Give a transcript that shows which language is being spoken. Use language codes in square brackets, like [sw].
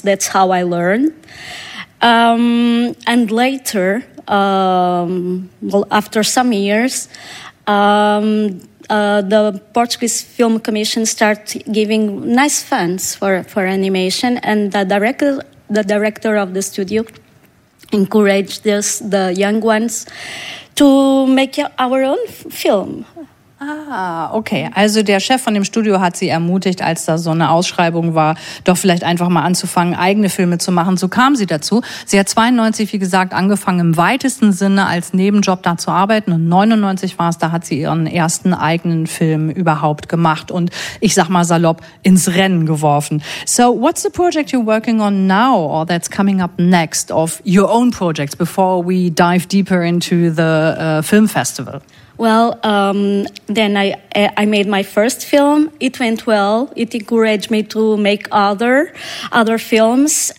[en] That's how I learned. And later, after some years, the Portuguese Film Commission started giving nice funds for animation, and the director of the studio encouraged us, the young ones, to make our own film. Ah, okay. [de] Also der Chef von dem Studio hat sie ermutigt, als da so eine Ausschreibung war, doch vielleicht einfach mal anzufangen, eigene Filme zu machen. So kam sie dazu. Sie hat 92, wie gesagt, angefangen, im weitesten Sinne als Nebenjob da zu arbeiten. Und 99 war es, da hat sie ihren ersten eigenen Film überhaupt gemacht und, ich sag mal salopp, ins Rennen geworfen. [en] So what's the project you're working on now or that's coming up next of your own projects before we dive deeper into the film festival? Well, then I made my first film. It went well. It encouraged me to make other films.